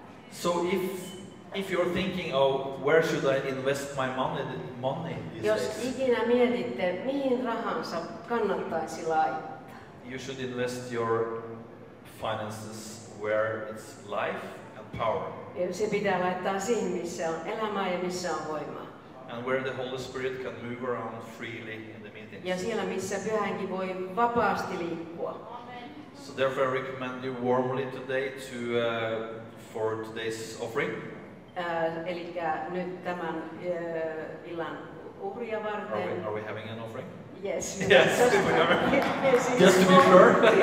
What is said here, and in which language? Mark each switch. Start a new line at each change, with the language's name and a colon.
English: So if you're thinking, oh, where should I invest my money?
Finnish: Jos ikinä mietitte, mihin rahansa kannattaisi laittaa.
English: You should invest your finances where it's life and power.
Finnish: Se pitää laittaa siihen, missä on elämä ja missä on voima.
English: And where the Holy Spirit can move around freely in the meetings.
Finnish: Ja siellä, missä Pyhänkin voi vapaasti liikkua.
English: So therefore I recommend you warmly today for today's offering.
Finnish: Eli nyt tämän illan uhria varten.
English: Are we having an offering? Yes. Yes, we are. Just to be sure.